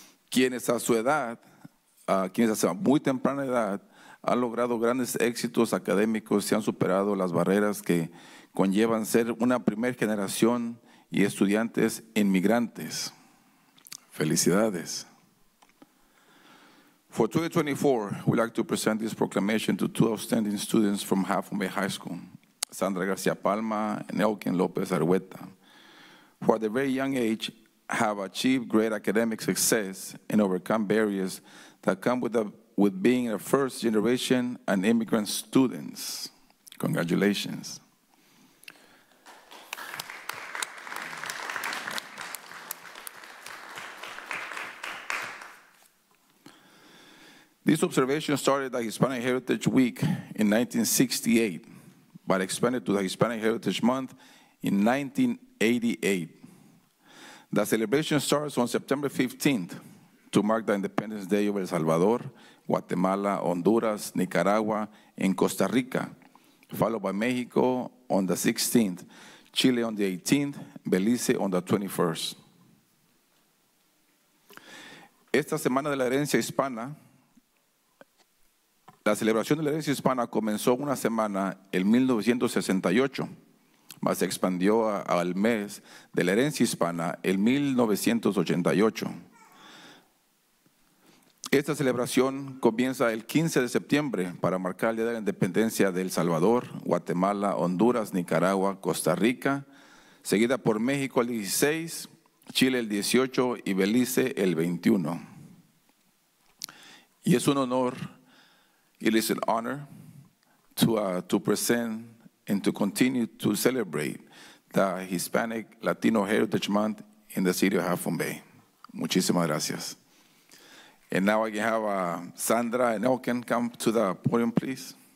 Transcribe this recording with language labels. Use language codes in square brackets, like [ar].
[es] Quienes a su edad, quienes a su muy temprana edad, han logrado grandes éxitos académicos y han superado las barreras que conllevan ser una primera generación y estudiantes inmigrantes. Felicidades. [en] For 2024, we'd like to present this proclamation to two outstanding students from Jafome High School, Sandra García Palma and Elkin López Arueta, who at a very young age have achieved great academic success and overcome barriers that come with being a first generation and immigrant students. Congratulations. This observation started at Hispanic Heritage Week in 1968, but expanded to the Hispanic Heritage Month in 1988. The celebration starts on September 15th to mark the Independence Day of El Salvador, Guatemala, Honduras, Nicaragua, and Costa Rica, followed by Mexico on the 16th, Chile on the 18th, Belize on the 21st. [es] Esta semana de la herencia hispana, la celebración de la herencia hispana comenzó una semana en 1968, mas se expandió al mes de la herencia hispana en 1988. Esta celebración comienza el 15 de septiembre para marcar el Día de la Independencia de El Salvador, Guatemala, Honduras, Nicaragua, Costa Rica, seguida por México el 16, Chile el 18 y Belice el 21. Y es un honor, [en] it is an honor to present and to continue to celebrate the Hispanic Latino Heritage Month in the city of Jafome. [es] Muchísimas gracias. [en] And now I can have Sandra and Elkin come to the podium, please.